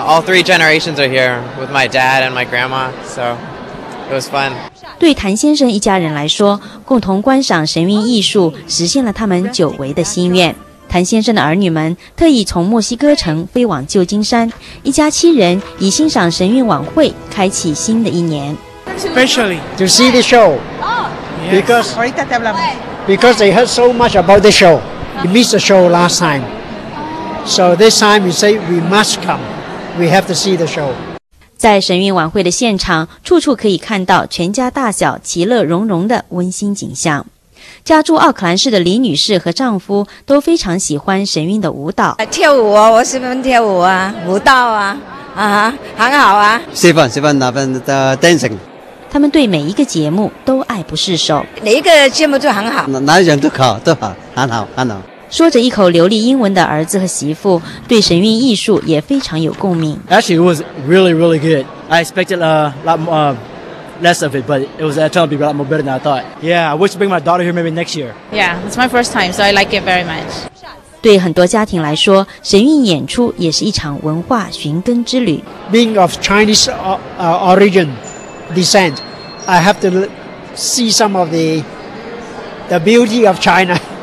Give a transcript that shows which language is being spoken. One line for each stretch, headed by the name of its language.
English: All three generations are here with my dad and my grandma, so it was fun.
Chinese: 对谭先生一家人来说，共同观赏神韵艺术实现了他们久违的心愿。谭先生的儿女们特意从墨西哥城飞往旧金山，一家七人以欣赏神韵晚会开启新的一年。
English: Especially to see the show, because they heard so much about the show, we missed the show last time, so this time we say we must come, we have to see the show.
Chinese: 在神韵晚会的现场，处处可以看到全家大小其乐融融的温馨景象。家住奥克兰市的李女士和丈夫都非常喜欢神韵的舞蹈。跳舞啊，我喜欢跳舞啊，舞蹈啊，啊，很好啊。喜欢那份的 dancing。他们对每一个节目都爱不释手。哪一个节目都很好。哪一种都好，很好，很好。说着一口流利英文的儿子和媳妇对神韵艺术也非常有共鸣。
English: Actually, it was really, really good. I expected a lot more, less of it, but it was actually a lot more better than I thought. Yeah, I wish to bring my daughter here maybe next year. Yeah, it's my first time, so I like it very much.
Chinese: 对很多家庭来说，神韵演出也是一场文化寻根之旅。
English: Being of Chinese origin, descent, I have to see some of the beauty of China.